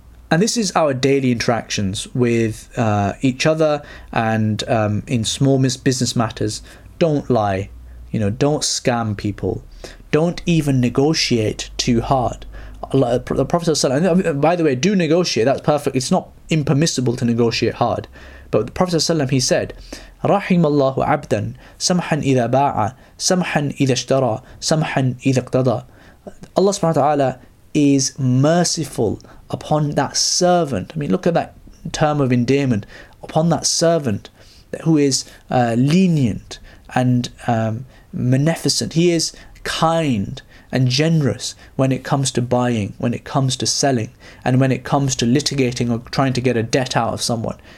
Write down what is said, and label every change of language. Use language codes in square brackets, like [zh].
[en] And this is our daily interactions with each other and in small business matters. Don't lie, you know, don't scam people, don't even negotiate too hard. The Prophet ﷺ, by the way, do negotiate, that's perfect, it's not impermissible to negotiate hard. But the Prophet ﷺ, he said, [ar] رحم الله عبدا سمحا إذا باع سمحا إذا اشترى سمحا إذا اقتضى. [en] Allah subhanahu wa ta'ala is merciful upon that servant. I mean, look at that term of endearment, upon that servant who is lenient and beneficent. He is kind and generous when it comes to buying, when it comes to selling, and when it comes to litigating or trying to get a debt out of someone.